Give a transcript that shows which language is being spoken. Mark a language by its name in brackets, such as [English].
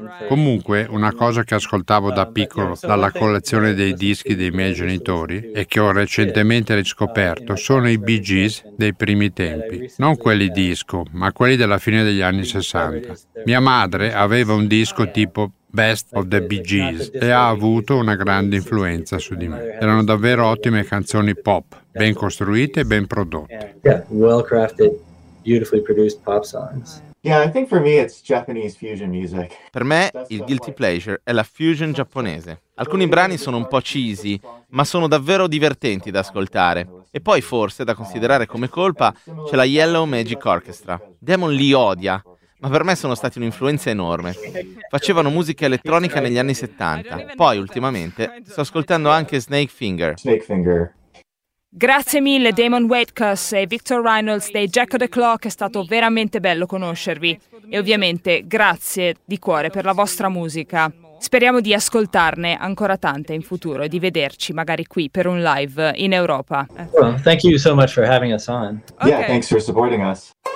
[Italian] Comunque, una cosa che ascoltavo da piccolo dalla collezione dei dischi dei miei genitori e che ho recentemente riscoperto sono i Bee Gees dei primi tempi. Non quelli disco, ma quelli della fine degli anni 60. Mia madre aveva un disco tipo Best of the Bee Gees e ha avuto una grande influenza su di me. Erano davvero ottime canzoni pop, ben costruite e ben prodotte. [English] Yeah, well-crafted, beautifully produced pop songs. Yeah, I think for me it's Japanese fusion music. [Italian] Per me il guilty pleasure è la fusion giapponese. Alcuni brani sono un po' cheesy, ma sono davvero divertenti da ascoltare. E poi forse da considerare come colpa c'è la Yellow Magic Orchestra. Damon li odia, ma per me sono stati un'influenza enorme. Facevano musica elettronica negli anni 70. Poi ultimamente sto ascoltando anche Snake Finger. Snake Finger. Grazie mille Damon Waitkus e Victor Reynolds dei Jack of the Clock, è stato veramente bello conoscervi e ovviamente grazie di cuore per la vostra musica. Speriamo di ascoltarne ancora tante in futuro e di vederci magari qui per un live in Europa. [English] Well, thank you so much for having us on. Okay. Yeah, thanks for supporting us.